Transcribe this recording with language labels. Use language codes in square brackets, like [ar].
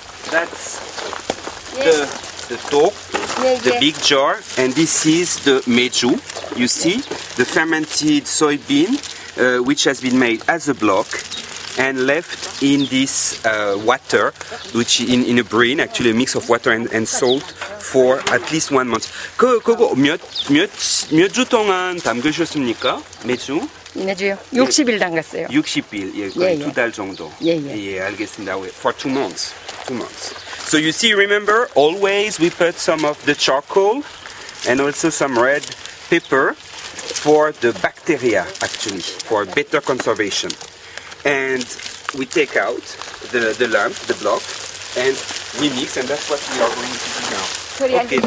[en] That's the tteok, the big jar, and this is the meju. You see the fermented soybean, which has been made as a block. And left in this water, which in a brine, actually a mix of water and salt, for at least 1 month. [ko] 그거 몇 주 동안 담그셨습니까? 매주? 인해줘요. 60일 담갔어요. 60일, 예, 거의 예, 예. 두 달 정도. 예, 예. 예, 알겠습니다. [en] For two months. So you see, remember, always we put some of the charcoal and also some red pepper for the bacteria, actually, for better conservation. And we take out the lump, the block, and we mix, and that's what we are going to do now.